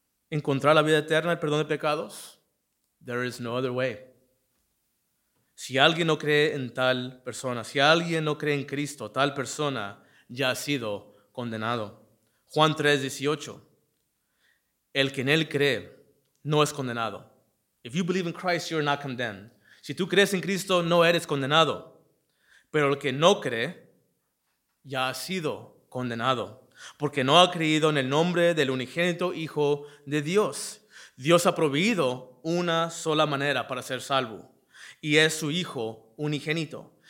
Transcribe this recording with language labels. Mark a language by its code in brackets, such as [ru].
[es] ¿Encontrar la vida eterna, el perdón de pecados? [en] There is no other way. [es] Si alguien no cree en tal persona, si alguien no cree en Cristo, tal persona ya ha sido condenado. Juan 3:18. El que en él cree no es condenado. [en] If you believe in Christ, you're not condemned. [es] Si tú crees en Cristo, no eres condenado. Pero el que no cree ya ha sido condenado, porque no ha creído en el nombre del unigénito Hijo de Dios. Dios ha proveído una sola manera para ser salvo, y es su Hijo unigénito.